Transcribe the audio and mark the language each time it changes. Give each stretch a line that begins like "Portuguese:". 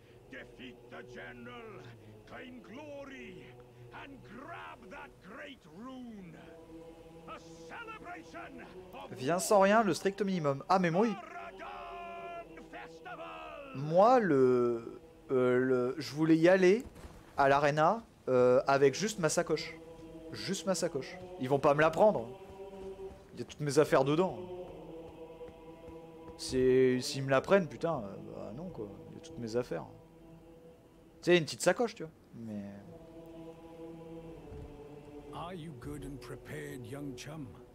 English: Defeat the general, claim glory, and grab that great rune. A celebration.
French: Viens sans rien, le strict minimum. Ah mais moi, moi le, je voulais y aller à l'arena avec juste ma sacoche. Juste ma sacoche. Ils vont pas me la prendre. Il y a toutes mes affaires dedans. C'est... S'ils me la prennent, putain, bah non quoi. Il y a toutes mes affaires. Tu sais, une petite sacoche, tu vois. Mais.
English: Are you good and prepared, young chum?